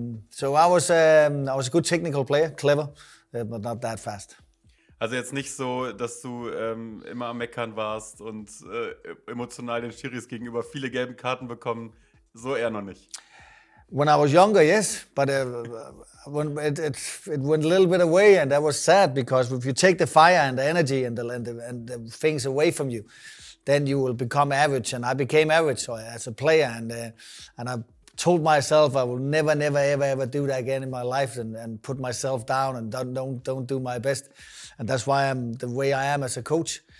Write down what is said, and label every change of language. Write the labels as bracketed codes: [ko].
[en] So I was a good technical player, clever, but not that fast. [de] Also jetzt nicht so, dass du immer am Meckern warst und emotional den Schiris gegenüber viele gelbe Karten bekommen, so eher noch nicht. [en] When I was younger, yes, but when it went a little bit away, and that was sad, because if you take the fire and the energy and the things away from you, then you will become average, and I became average as a player, and I told myself I will never, never, ever, ever do that again in my life, and put myself down and don't do my best, and that's why I'm the way I am as a coach.